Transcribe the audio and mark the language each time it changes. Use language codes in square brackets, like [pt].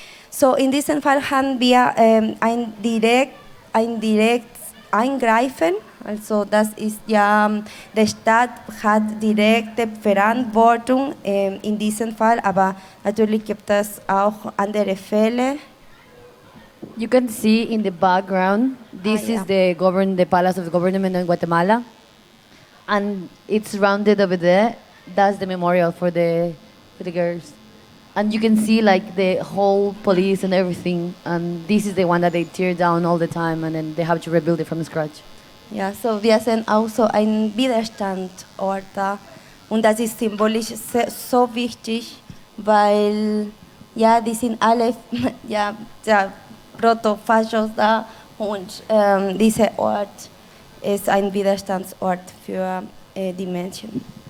[de] So, in diesem Fall haben wir ein direkt Eingreifen. Also das ist ja, der Staat hat direkte Verantwortung in diesem Fall, aber natürlich gibt es auch andere Fälle. [en] You can see in the background, this is the palace of the government in Guatemala. And it's rounded over there. That's the memorial for the girls. And you can see like the whole police and everything. And this is the one that they tear down all the time and then they have to rebuild it from scratch. [de] Ja, so wir sind auch so ein Widerstandsort da. Und das ist symbolisch so wichtig, weil ja, die sind alle, ja, ja, Proto-Faschos da und dieser Ort ist ein Widerstandsort für die Menschen.